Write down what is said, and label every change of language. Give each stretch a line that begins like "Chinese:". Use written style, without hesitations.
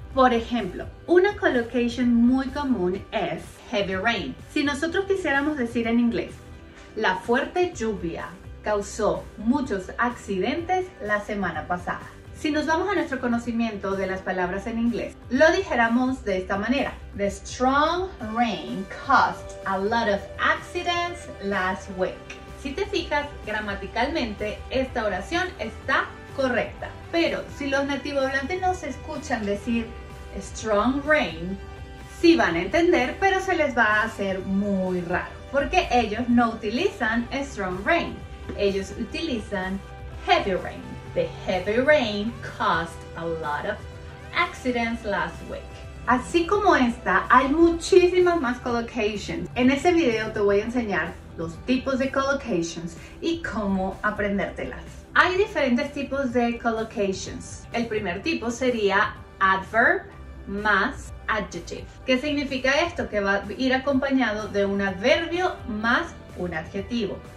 Spanish: Por ejemplo, una collocation muy común es heavy rain. Si nosotros quisiéramos decir en inglés, la fuerte lluvia causó muchos accidentes la semana pasada. Si nos vamos a nuestro conocimiento de las palabras en inglés, lo dijéramos de esta manera.
English: The strong rain caused a lot of accidents last week.
Spanish: Si te fijas, gramaticalmente esta oración está correcta. Pero si los nativos hablantes nos escuchan decir strong rain, sí van a entender, pero se les va a hacer muy raro. Porque ellos no utilizan strong rain. Ellos utilizan heavy rain.
English: The heavy rain caused a lot of accidents last week.
Spanish: Así como esta, hay muchísimas más collocations. En ese video te voy a enseñar los tipos de collocations y cómo aprendértelas. Hay diferentes tipos de collocations. El primer tipo sería adverb más adjective. ¿Qué significa esto? Que va a ir acompañado de un adverbio más un adjetivo.